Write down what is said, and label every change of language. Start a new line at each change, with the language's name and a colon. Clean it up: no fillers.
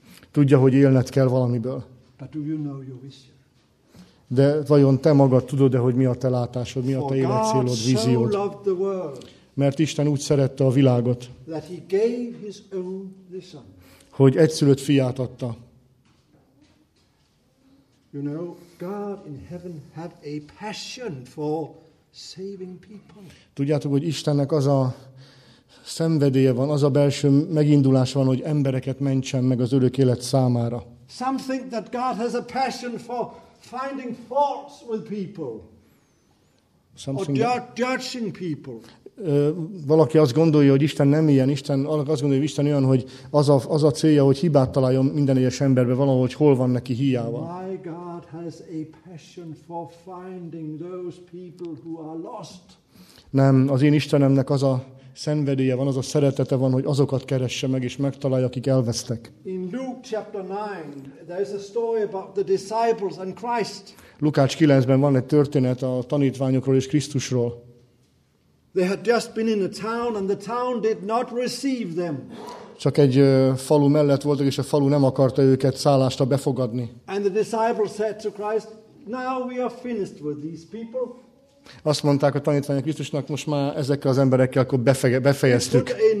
Hungarian: Tudja, hogy élned kell valamiből.
English: But do you know your vision?
Hungarian: De vajon te magad tudod-e, hogy mi a te látásod, mi
English: For
Hungarian: a te életcélod,
English: God
Hungarian: víziód?
English: So loved the world,
Hungarian: mert Isten úgy szerette a világot,
English: that he gave his only son.
Hungarian: Hogy egyszülött fiát adta.
English: You know, God in heaven had a passion for saving people.
Hungarian: Tudjátok, hogy Istennek az a szenvedélye van, az a belső megindulás van, hogy embereket mentsen meg az örök élet számára.
English: Something that God has a passion for finding faults with people. Something or judging people.
Hungarian: Valaki azt gondolja, hogy Isten nem ilyen. Isten, azt gondolja, hogy Isten olyan, hogy az a célja, hogy hibát találjon minden egyes emberbe valahogy, hol van neki hiába.
English: My God has a passion for finding those people who are lost.
Hungarian: Nem, az én Istenemnek az a szenvedélye van, az a szeretete van, hogy azokat keresse meg és megtalálja, akik elvesztek.
English: In Luke chapter 9, there is a story about the disciples and Christ.
Hungarian: Lukács 9-ben van egy történet a tanítványokról és Krisztusról.
English: They had just been in a town and the town did not receive them.
Hungarian: Csak egy falu mellett voltak, és a falu nem akarta őket szállásra befogadni.
English: And the disciples said to Christ, now we are finished with these people.
Hungarian: Azt mondták a tanítványok Krisztusnak, most már ezekkel az emberekkel akkor befejeztük.